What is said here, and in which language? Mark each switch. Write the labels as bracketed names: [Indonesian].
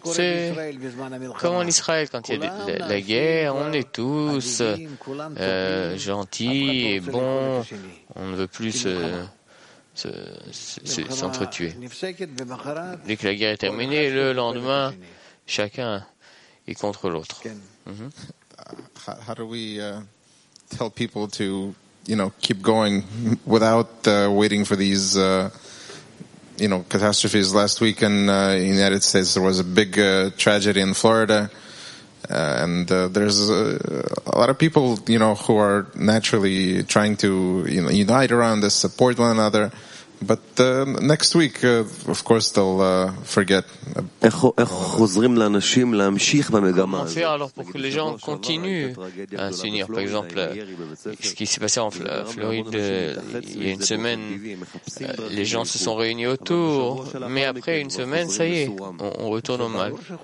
[French] C'est comme en Israël, quand il y a la guerre, on est tous gentils et bons, on ne veut plus s'entretuer. Dès que la guerre est terminée, le lendemain, chacun est contre l'autre. [English] How do we tell people to, you know, keep going without waiting for these, you know, catastrophes? Last week in the United States, there was a big tragedy in Florida, and there's a lot of people, you know, who are naturally trying to, you know, unite around this, support one another. But next week, of course, they'll forget. [French] Comment faire alors pour que les gens continuent à s'unir? Par exemple, ce qui s'est passé en Floride il y a une semaine, les gens se sont réunis autour, mais après une semaine, ça y est, on retourne au mal.